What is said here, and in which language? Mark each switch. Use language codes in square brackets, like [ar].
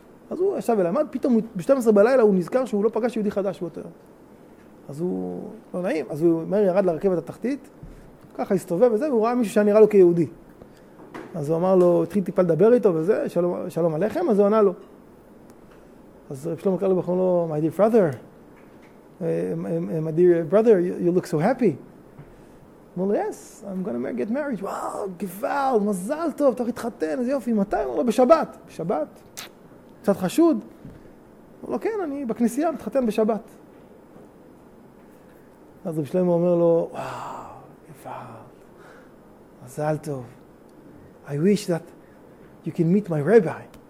[he] אז הוא ישב ולמד, פתאום ב-12 בלילה הוא נזכר שהוא לא פגש יהודי חדש באותו יום. אז הוא לא נעים, אז הוא מהר ירד לרכבת התחתית, ככה הסתובב וזה, והוא ראה מישהו שנראה לו כיהודי. אז הוא אמר לו, התחיל טיפה לדבר איתו וזה, שלום, שלום עליכם, אז הוא ענה לו. אז רב שלמה קרליבך אמר לו, [en] my dear brother, my dear brother, you look so happy. [he] אמר לו, [en] yes, I'm gonna get married. [he] וואו, גבל, מזל טוב, תוך התחתן, אז יופי, מתי? אמר לו, בשבת. בשבת? קצת חשוד? אמר לו, כן, אני בכנסייה, מתחתן בשבת. אז רב שלמה אומר לו, וואו, גבל, מזל טוב. [en] I wish that you can meet my rabbi.